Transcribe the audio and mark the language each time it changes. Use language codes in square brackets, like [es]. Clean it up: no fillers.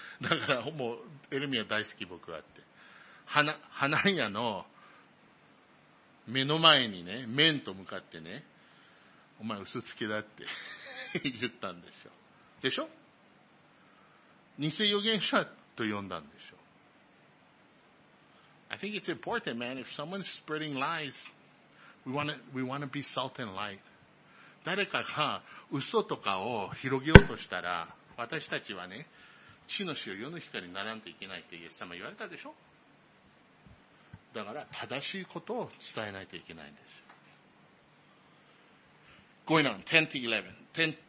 [ja] だからもうエレミア大好き僕はって。ハナニアの目の前にね、面と向かってね、お前嘘つきだって言ったんでしょ。でしょ？偽預言者と呼んだんでしょ。 [en] I think it's important, man. If someone's spreading lies, we wanna be salt and light. [ja] 誰かが嘘とかを広げようとしたら、私たちはね、地の塩、世の光にならんといけないってイエス様言われたでしょ？だから正しいことを伝えないといけないんですよ。 [en] Going on, 10 to 11.